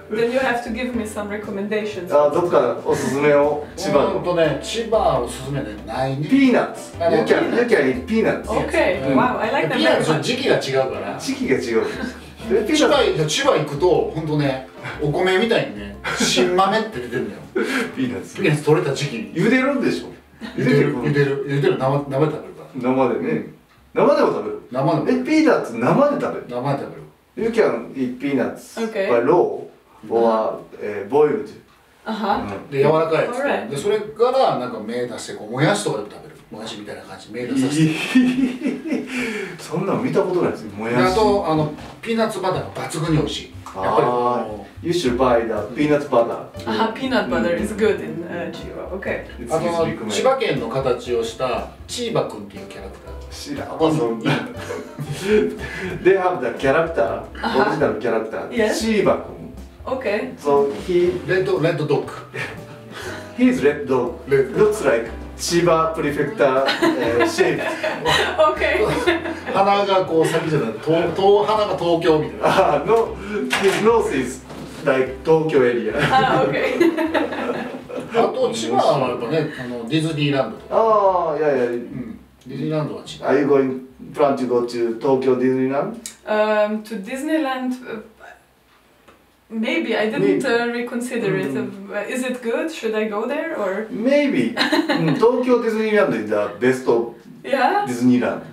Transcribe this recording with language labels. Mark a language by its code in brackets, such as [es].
[en] Then you have to give me some recommendations. [ja] あ、どっかおすすめを、千葉の。ほんとね、千葉おすすめでないね。 [en] ピーナッツ。You can eat ピーナッツ。 OK。 Wow, I like that. [ja] ピーナッツは時期が違うから。時期が違う。千葉行くと、ほんとね、お米みたいにね。新豆って出てるんだよ。ピーナッツ。ピーナッツ取れた時期に。茹でるんでしょ。茹でる。生で食べるから。生でね。生でも食べる。生でも。ピーナッツ生で食べる。生で食べる。 [en] You can eat peanuts by raw or boiled. [ja] で柔らかいやつ。でそれからなんか芽出してこうもやしとかでも食べる。もやしみたいな感じ芽出させて。そんなの見たことないですよ。もやし。あとあのピーナッツバターが抜群に美味しい。 [en] You should buy the peanut butter. Peanut butter is good in Chiba. [ja] Okay. あの千葉県の形をしたチーバくんっていうキャラクター。知らん。そんな。 [en] They have the character. [ja] オリジナルキャラクター。チーバくん。 [en] Okay. So he red dog. He's red dog. Looks like Chiba prefecture shape. Okay. [ja] 鼻がこう先じゃない。鼻が東京みたいな。 [en] No. His nose is like Tokyo area. [ja] あと千葉はやっぱね、あのディズニーランドとか。ああ、いやいや、うん。ディズニーランドは違う。 [en] Are you going plan to go to Tokyo Disneyland? To Disneyland, Maybe, I didn't reconsider it. Is it good? Should I go there? Or? Maybe. Tokyo Disneyland is the best of Disneyland.